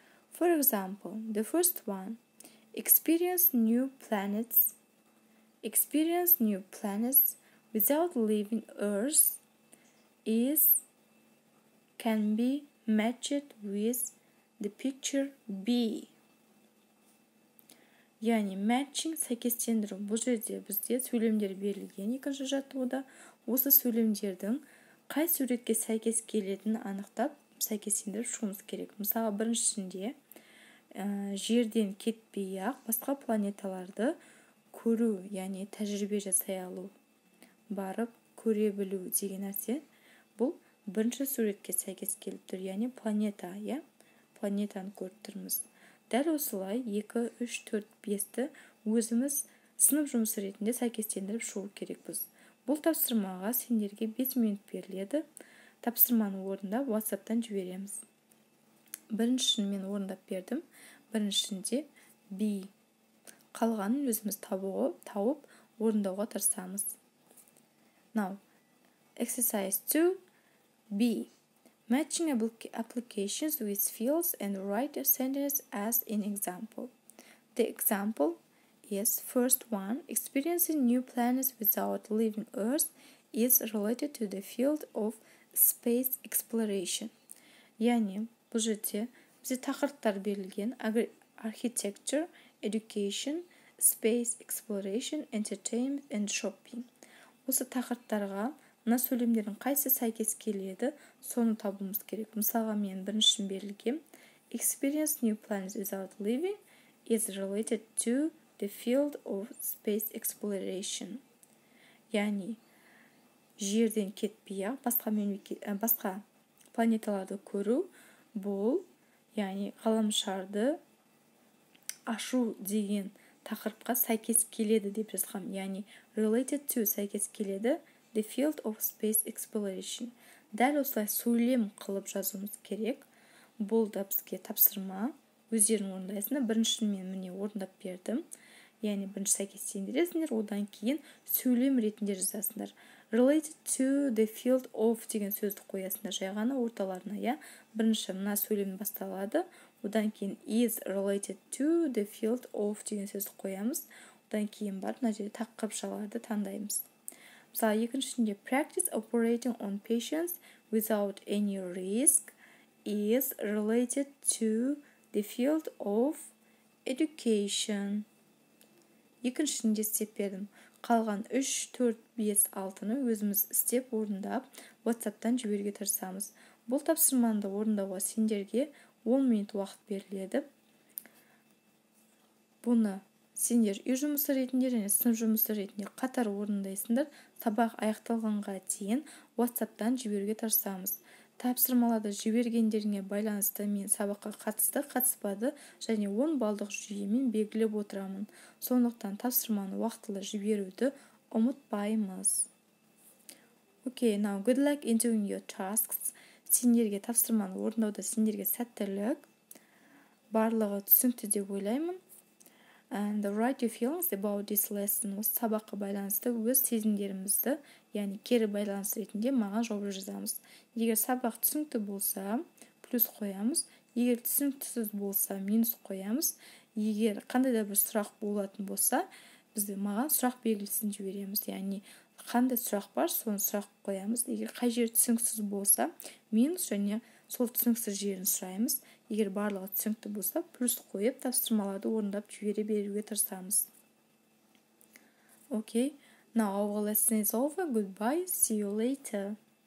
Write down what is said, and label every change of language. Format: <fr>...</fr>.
<en>For example, the first one, experience new planets without leaving Earth can be matched with the picture B.</en> <kk>Yani matching 8 синдром. Бұл жерде бізде сөйлемдер берілген екінші жаттығуда. Осы сөйлемдердің қай суретке сәйкес келетінін анықтап, сәйкес синдром шығымыз керек. Мысалы, біріншісінде жерден кетпей-ақ басқа планеталарды көру, яғни тәжірибе жасай алу, барып көре білу деген нәрсе. Бұл бірінші суретке сәйкес келіп тұр, яғни планета, иә? Планетаны көріп тұрмыз. Дәл осылай 2, 3, 4, 5-ті өзіміз сынып жұмысы ретінде сәйкестендіріп шығу керекпіз. Бұл тапсырмаға сендерге 5 минут беріледі. Тапсырманы орындап WhatsApp-тан жібереміз. Біріншісін мен орындап бердім. Біріншісінде B. Қалғанын өзіміз тауып орындауға тырысамыз.</kk> <en>Now, exercise 2. B. Matching applications with fields and write a sentence as an example. The example is first one, experiencing new planets without leaving Earth is related to the field of space exploration.</en> <kk>Яғни, бұл жерде бізге тақырыптар берілген:</kk> <en>architecture, education, space exploration, entertainment and shopping.</en> <kk>Осы тақырыптарға мына сөйлемдердің қайсысы сәйкес келеді, соны табуымыз керек. Мысалға мен біріншісін берілгем,</kk> <en>experience new planets without living is related to the field of space exploration.</en> <kk>Yani жерден кетпей басқа басқа планеталарды көру бұл яғни ғаламшарды ашу деген тақырыпқа сәйкес келеді деп жазған. Яғни</kk> <en>related to</en> <kk>сәйкес келеді</kk> <en>the field of space exploration.</en> <kk>Дәл осылай сөйлем қылып жазуымыз керек. Бұл да бізге тапсырма. Өздерің орындайсыңдар. Біріншіні мен міне орындап бердім. Яғни бірінші сәйкестендіресіңдер, одан кейін сөйлем ретінде жазасыңдар.</kk> <en>Related to the field of</en> <kk>деген сөзді қоясыңдар жайғаны орталарына, я. Бірінші мына сөйлем басталады. Одан кейін</kk> <en>is related to the field of</en> <kk>деген сөзді қоямыз. Одан кейін барып мына жерде тақырыпшаларды таңдаймыз. Мысалы, екіншісінде</kk> <en>practice operating on patients without any risk is related to the field of education.</en> <kk>Екіншісінде істеп бердім. Қалған 3, 4, 5, 6-ны өзіміз істеп орындап, WhatsApp-тан жіберуге тырысамыз. Бұл тапсырманы орындауға сендерге 10 минут уақыт беріледі. Бұны сендер үй жұмысы ретінде және сынып жұмысы ретінде қатар орындайсыңдар. Сабақ аяқталғанға дейін WhatsApp-тан жіберуге тырысамыз. Тапсырмаларды жібергендеріңе байланысты мен сабаққа қатысты, қатыспады және 10 балдық жүйемен белгілеп отырамын. Сондықтан тапсырманы уақытылы жіберуді ұмытпаймыз.</kk> <en>Okay, now good luck in doing your tasks.</en> <kk>Сендерге тапсырманы орындауда сендерге сәттілік. Барлығы түсінікті деп ойлаймын.</kk> <en>And write your feelings about this lesson.</en> <kk>Осы сабаққа байланысты өз сезімдерімізді, яғни кері байланыс ретінде маған жауап жазамыз. Егер сабақ түсінікті болса, плюс қоямыз. Егер түсініксіз болса, минус қоямыз. Егер қандай да бір сұрақ болатын болса, біз маған сұрақ белгісін жібереміз. Яғни қандай сұрақ бар, соны сұрақ қоямыз. Егер қай жер түсініксіз болса, минус және сол түсініксіз жерін сұраймыз. Егер барлығы түсінікті болса, плюс қойып, тапсырмаларды орындап жібере беруге тырысамыз.</kk> <en>Okay, now our lesson is over. Goodbye, see you later.</en>